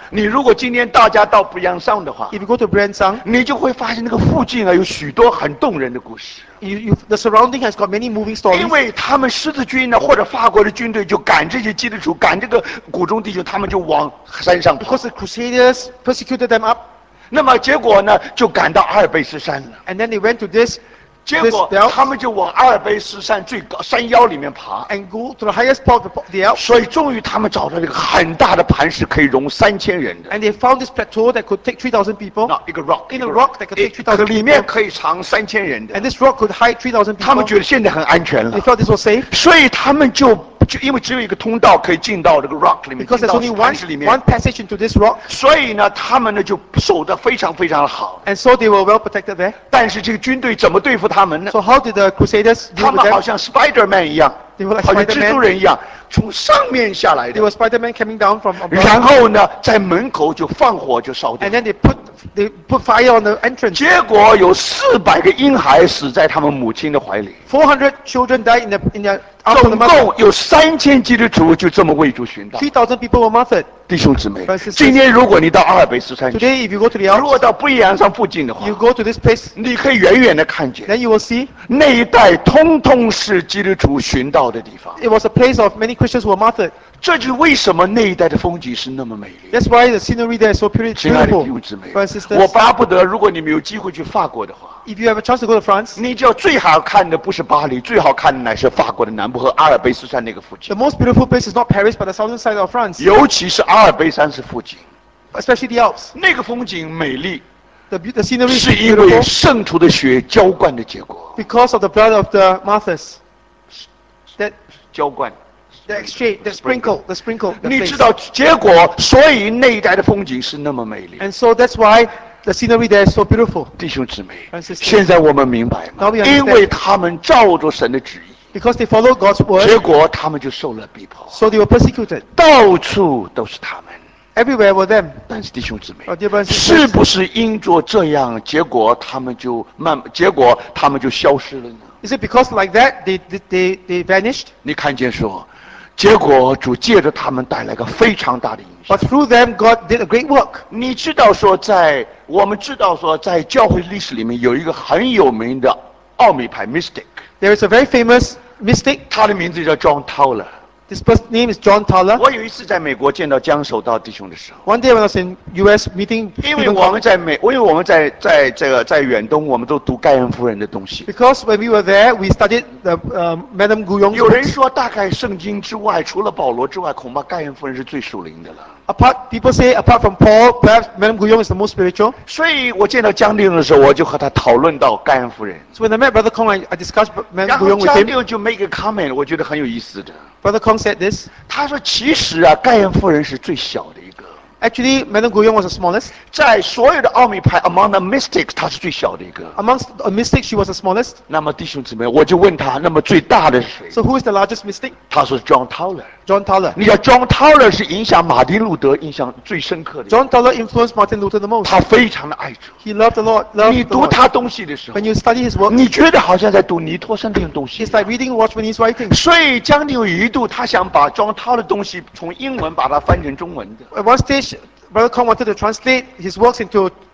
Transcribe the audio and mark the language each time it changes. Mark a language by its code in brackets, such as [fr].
[zh] 你如果今天大家到 Briançon 的话 [en] ，If you go to Briançon, [zh] 你就会发现那个附近啊有许多很动人的故事。 [en] The surrounding has got many moving stories. [zh] 因为他们十字军呢，或者法国的军队就赶这些基督徒，赶这个古中弟兄，他们就往山上跑。 [en] Because the Crusaders persecuted them up. [zh] 那么结果呢，就赶到阿尔卑斯山了。 [en] And then they went to this. [zh] 结果他们就往阿尔卑斯山最高山腰里面爬 [en] ，and go to the highest part of the Alps. [zh] 所以终于他们找到一个很大的磐石，可以容3000人的。 [en] And they found this plateau that could take 3,000 people. No, 一个 rock. In a rock that could take 3,000 people. [zh] 里面可以藏3000人的。 [en] And this rock could hide 3,000 people. [zh] 他们觉得现在很安全了。 [en] They felt this was safe. [zh] 所以他们就因为只有一个通道可以进到这个 rock 里面 [en] ，because there's only one passage into this rock. [zh] 所以呢，他们呢就守得非常非常好。 [en] And so they were well protected there. [zh] 但是这个军队怎么对付他们呢 [en] ？So how did the Crusaders deal with them? [zh] 他们好像 Spider-Man 一样。好像蜘蛛人一样，从上面下来的。 [en] It was Spider-Man coming down from above. [zh] 然后呢，在门口就放火就烧掉。 [en] And then they put fire on the entrance. [zh] 结果有400个婴孩死在他们母亲的怀里。 [en] 400 children died in the. [zh] 总共有3000基督徒就这么为主殉道。 [en] 3,000 people were martyred. [zh] 弟兄姊妹，今天如果你到阿尔卑斯山去 [en] ，Today if you go to the Alps, [zh] 如果到布宜昂山附近的话 [en] ，You go to this place. [zh] 你可以远远的看见。 [en] Then you will see. [zh] 那一带通通是基督徒殉道。 [en] It was a place of many Christians who were martyred. [zh] 这就为什么那一带的风景是那么美丽。 [en] That's why the scenery there is so beautiful. [zh] 亲爱的弟兄姊妹， [en] Francis, [zh] 我巴不得如果你们有机会去法国的话 [en] ，If you have a chance to go to France, [zh] 你就最好看的不是巴黎，最好看的乃是法国的南部和阿尔卑斯山那个附近。 [en] The most beautiful place is not Paris, but the southern side of France. [zh] 尤其是阿尔卑斯山附近 [en] ，Especially the Alps. [zh] 那个风景美丽。 [en] The scenery is [zh] 是因为圣徒的血浇灌的结果。 [en] Because of the blood of the martyrs. [zh] 浇灌 [en] ，the sprinkle. [zh] 你知道结果，所以那一带的风景是那么美丽。 [en] And so that's why the scenery there is so beautiful. [zh] 弟兄姊妹，现在我们明白吗？因为他们照着神的旨意。 [en] Because they followed God's word. [zh] 结果他们就受了逼迫。 [en] So they were persecuted. [zh] 到处都是他们。 [en] Everywhere were them. [zh] 但是弟兄姊妹， [en] oh, dear brothers, [zh] 是不是因着这样，结果他们就消失了呢？ [en] Is it because like that they vanished? [zh] 你看见说，结果主借着他们带来个非常大的影响。 [en] But through them, God did a great work. [zh] 你知道说在我们知道说在教会历史里面有一个很有名的奥秘派 mystic. [en] There is a very famous mystic. [zh] 他的名字叫 John Towler. [en] This person's name is John Towler. [zh] 我有一次在美国见到江守道弟兄的时候。 [en] One day when I was in U.S. meeting. [zh] 因为我们在远东，我们都读盖恩夫人的东西。 [en] Because when we were there, we studied the Madame Guyon. [zh] 有人说，大概圣经之外，除了保罗之外，恐怕盖恩夫人是最属灵的了。 [en] Apart from Paul, perhaps Madame Guyon is the most spiritual. [zh] 所以我见到江定的时候，我就和他讨论到盖恩夫人。 [en] So when I met Brother Kong, I discussed Madame Guyon with him. [zh] 然后江定就 [en] make a comment, [zh] 我觉得很有意思的。 [en] Brother Kong said this. [zh] 他说其实啊，盖恩夫人是最小的一个。 [en] Actually, Madame Guyon was the smallest. [zh] 在所有的奥秘派 ， [en] among the mystics， [zh] 她是最小的一个。 [en] Amongst the mystics, she was the smallest. [zh] 那么弟兄姊妹，我就问她，那么最大的是谁 [en] ？So who is the largest mystic？ [zh] 她说 John Towler。 [en] John Towler。 [zh] 你看 ，John Towler 是影响马丁路德印象最深刻的。 [en] John Towler influenced Martin Luther the most. [zh] 他非常的爱主。 [en] He loved the Lord. Loved [zh] 你读他东西的时候 [en] ，When you study his work， [zh] 你觉得好像在读尼托生的东西。 [en] It's like reading Watchman he's writing. [zh] 所以将近有一度，他想把 John Towler 的东西从英文把它翻成中文的。 [en] At one stage,Brother Kong wanted to translate his works into